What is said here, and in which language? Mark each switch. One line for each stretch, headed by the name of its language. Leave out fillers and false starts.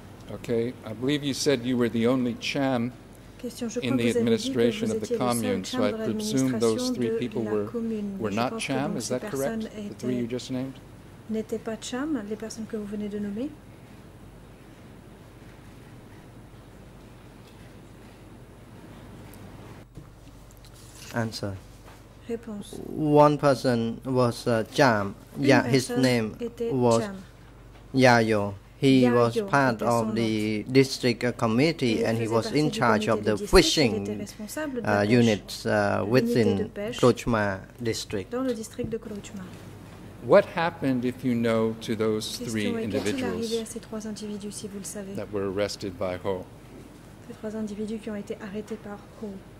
English: Okay, I believe you said you were the only Cham in the administration of the commune, so I presume those three people were not Cham, is that correct? The three you just named?
French: N'étaient pas Cham, les personnes que vous venez de nommer?
English: Answer.
French: Réponse.
English: One person was Cham. Yeah, his name was Yayo. He Yayo was part of the district committee and he was in charge of the fishing units within Krochma district.
French: Dans le district de Krochma.
English: What happened, if you know, to those three individuals,
French: qu'est-ce qui est arrivé à ces trois individus, si vous le savez,
English: that were arrested by Ho?
French: Ces trois individus qui ont été arrêtés par Ho.